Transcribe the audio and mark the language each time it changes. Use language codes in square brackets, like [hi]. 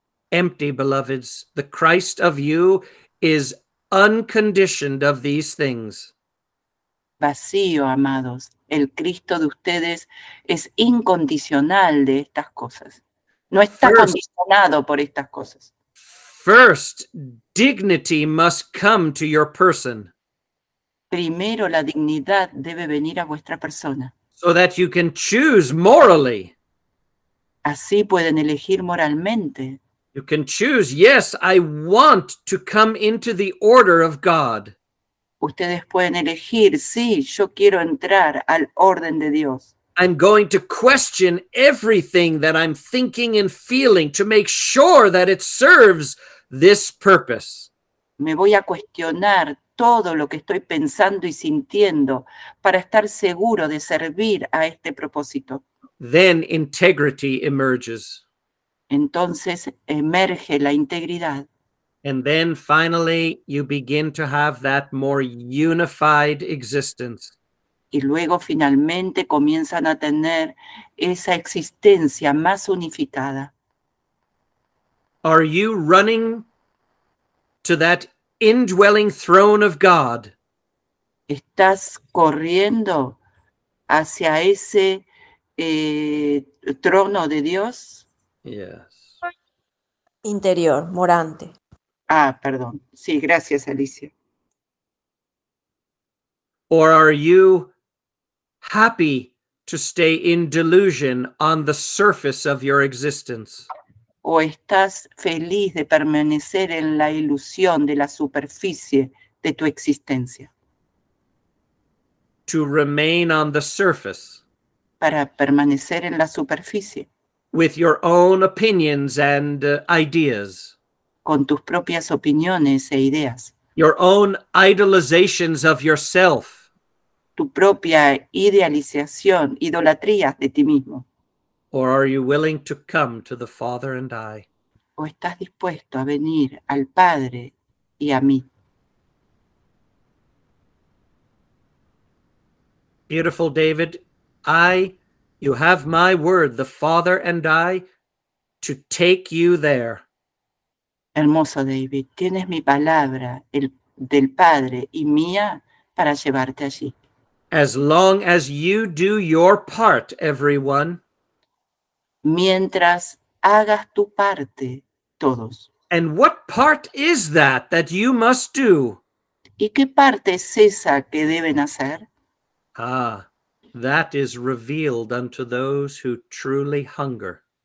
[en] Empty, beloveds, the Christ of you is unconditioned of these things. [es] Vacío, amados. El Cristo de ustedes es incondicional de estas cosas. No está first, condicionado por estas cosas. [en] First, dignity must come to your person. [es] Primero, la dignidad debe venir a vuestra persona. [en] So that you can choose morally. [es] Así pueden elegir moralmente. [en] You can choose. Yes, I want to come into the order of God. [es] Ustedes pueden elegir. Sí, yo quiero entrar al orden de Dios. [en] I'm going to question everything that I'm thinking and feeling to make sure that it serves this purpose. [es] Me voy a cuestionar todo lo que estoy pensando y sintiendo para estar seguro de servir a este propósito. [en] Then integrity emerges. [es] Entonces emerge la integridad. [en] And then finally you begin to have that more unified existence. [es] Y luego finalmente comienzan a tener esa existencia más unificada. [en] Are you running to that indwelling throne of God? [es] ¿Estás corriendo hacia ese trono de Dios? [en] Yes. [es] Interior, morante. Ah, perdón. Sí, gracias, Alicia. [en] Or are you happy to stay in delusion on the surface of your existence? [es] ¿O estás feliz de permanecer en la ilusión de la superficie de tu existencia? [en] To remain on the surface. [es] Para permanecer en la superficie. [en] With your own opinions and ideas. [es] Con tus propias opiniones e ideas. [en] Your own idolizations of yourself. [es] Tu propia idealización, idolatría de ti mismo. [en] Or are you willing to come to the Father and I? [es] ¿O estás dispuesto a venir al Padre y a mí? [en] Beautiful David, I, you have my word, the Father and I, to take you there. [es] Hermoso David, tienes mi palabra, el del Padre y mía, para llevarte allí. [en] As long as you do your part, everyone. [es] Mientras hagas tu parte, todos. [en] And what part is that that you must do? [es] ¿Y qué parte es esa que deben hacer? [en] Ah, that is revealed unto those who truly hunger.